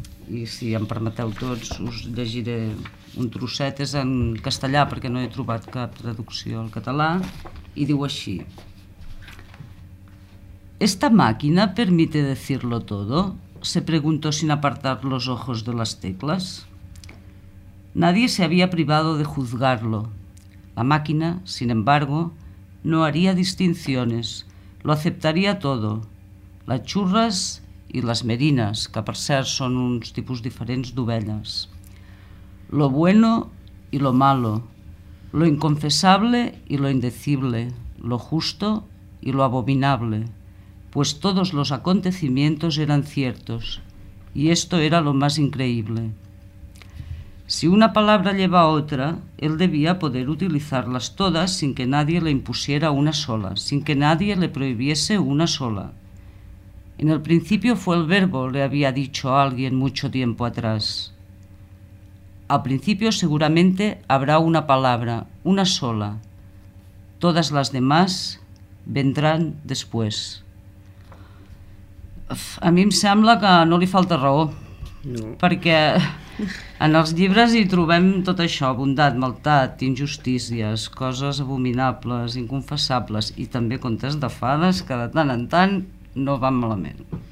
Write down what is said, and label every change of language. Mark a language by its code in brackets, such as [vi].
[ca] I si em permeteu tots, us llegiré un trosset, és en castellà perquè no he trobat cap traducció al català, i diu així: [es] ¿Esta máquina permite decirlo todo?, se preguntó sin apartar los ojos de las teclas. Nadie se había privado de juzgarlo. La máquina, sin embargo, no haría distinciones. Lo aceptaría todo. Las churras y las merinas, [ca] que per cert són uns tipus diferents d'ovelles. [es] Lo bueno y lo malo. Lo inconfesable y lo indecible. Lo justo y lo abominable. Pues todos los acontecimientos eran ciertos, y esto era lo más increíble. Si una palabra lleva a otra, él debía poder utilizarlas todas sin que nadie le impusiera una sola, sin que nadie le prohibiese una sola. En el principio fue el verbo, le había dicho a alguien mucho tiempo atrás. Al principio seguramente habrá una palabra, una sola. Todas las demás vendrán después. [ca] A mi em sembla que no li falta raó, no. Perquè en els llibres hi trobem tot això, bondat, maldat, injustícies, coses abominables, inconfessables, i també contes de fades que de tant en tant no van malament.